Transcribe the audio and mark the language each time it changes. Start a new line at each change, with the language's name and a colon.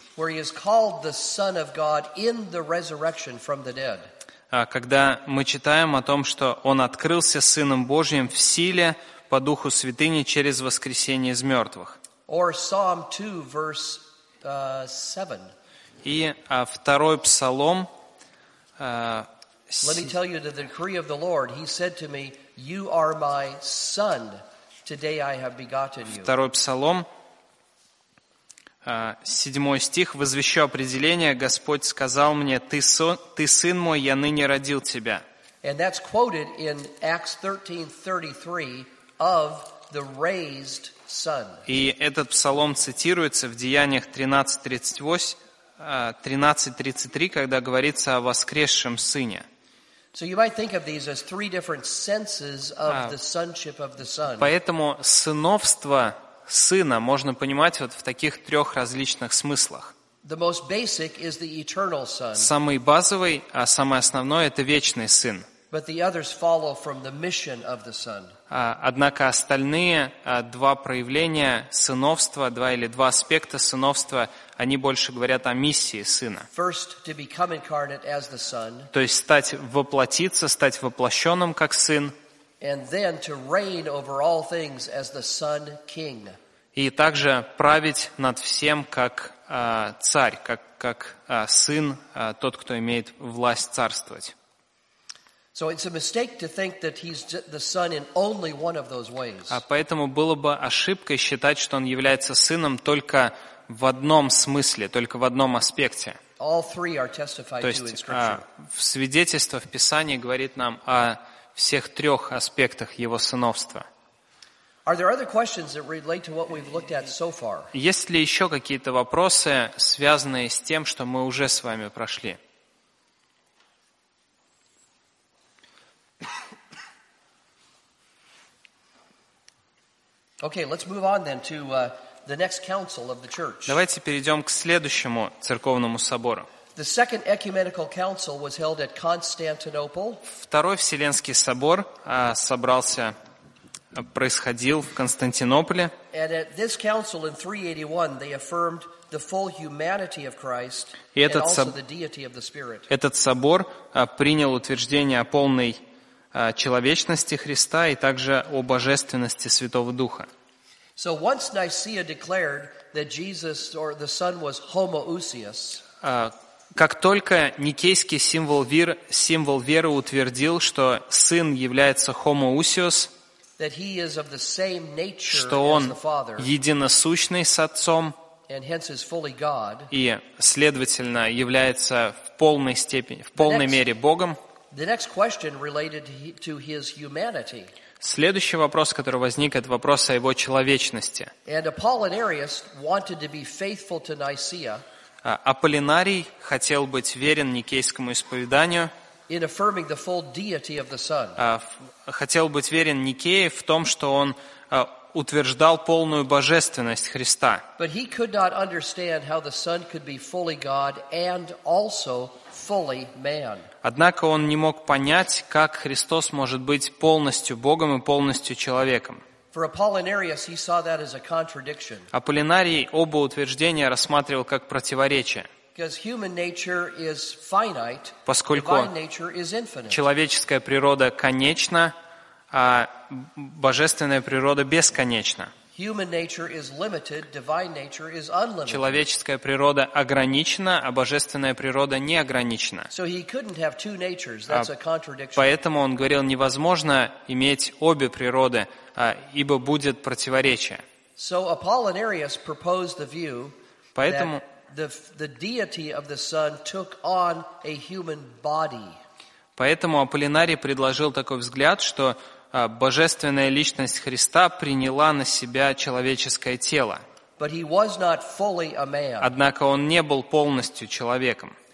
English: Where he is called the Son of God in the resurrection from the dead.
Russian: Когда мы читаем о том, что он открылся Сыном Божьим в силе по Духу Святыни через воскресение из мертвых.
English: Or Psalm 2 verse 7.
Russian: И второй псалом.
English: Let me tell you the decree of the Lord. He said to me, You are my son. Today I have begotten you.
Russian: Второй псалом, 7 стих, возвещу определение. Господь сказал мне, ты сын мой, я ныне родил тебя.
English: And that's quoted in Acts 13:33 of the raised son.
Russian: И этот псалом цитируется в Деяниях 13:33, когда говорится о воскресшем сыне.
English: So you might think of these as three different senses of the sonship of the son.
Russian: Поэтому сыновство сына можно понимать вот в таких трех различных смыслах.
English: The most basic is the eternal son.
Russian: Самый базовый, а самый основной это вечный сын.
English: But the others follow from the mission of the son.
Russian: Однако остальные два проявления сыновства, два или два аспекта сыновства, они больше говорят о миссии сына.
English: First, to become incarnate as the son.
Russian: То есть стать воплощенным как сын.
English: And then to reign over all things as the son king.
Russian: И также править над всем как царь, как сын, тот, кто имеет власть царствовать.
English: So it's a mistake to think that he's the son in only one of those ways.
Russian: Поэтому было бы ошибкой считать, что он является сыном только в одном смысле, только в одном аспекте.
English: All three are testified to in Scripture.
Russian: То есть, свидетельство в Писании говорит нам о всех трех аспектах Его сыновства.
English: Are there other questions that relate to what we've looked at so far?
Russian: Есть ли еще какие-то вопросы, связанные с тем, что мы уже с вами прошли?
English: Okay, let's move on then to the next council of the church.
Russian: Давайте перейдем к следующему церковному собору.
English: The second ecumenical council was held at Constantinople.
Russian: Второй вселенский собор собрался. Происходил в Константинополе.
English: And at this council in 381, they affirmed the full humanity of Christ and also the deity of the Spirit.
Russian: Этот собор принял утверждение о полной человечности Христа и также о божественности Святого Духа.
English: So once Nicaea declared that Jesus or the Son was homoousios.
Russian: Как только никейский символ веры утвердил, что Сын является homoousios.
English: That he is of the same nature as the Father,
Russian: единосущный с Отцом,
English: and hence is fully God.
Russian: И, следовательно, является в полной мере Богом.
English: The next question related to his humanity.
Russian: Следующий вопрос, который возник, это вопрос о его человечности.
English: And Apollinarius wanted to be faithful to Nicaea.
Russian: Аполлинарий хотел быть верен никейскому исповеданию.
English: In affirming the full deity of the Son.
Russian: Хотел быть верен Никее в том, что он утверждал полную божественность Христа.
English: But he could not understand how the Son could be fully God and also fully man.
Russian: Однако он не мог понять, как Христос может быть полностью Богом и полностью человеком.
English: For Apollinarius, he saw that as a contradiction.
Russian: Аполлинарий оба утверждения рассматривал как противоречие.
English: Because human nature is finite,
Russian: поскольку
English: divine nature is infinite.
Russian: Человеческая природа конечна, а божественная природа бесконечна.
English: Human nature is limited, divine nature is unlimited.
Russian: Человеческая природа ограничена, а божественная природа неограничена.
English: So he couldn't have two natures. That's a contradiction.
Russian: Поэтому он говорил, невозможно иметь обе природы, ибо будет противоречие.
English: So Apollinarius proposed the view
Russian: поэтому
English: that the deity of the Son took on a human body.
Russian: Поэтому Аполлинарий предложил такой взгляд, что божественная личность Христа приняла на себя человеческое тело.
English: But he was not fully a man.
Russian: Однако он не был полностью человеком.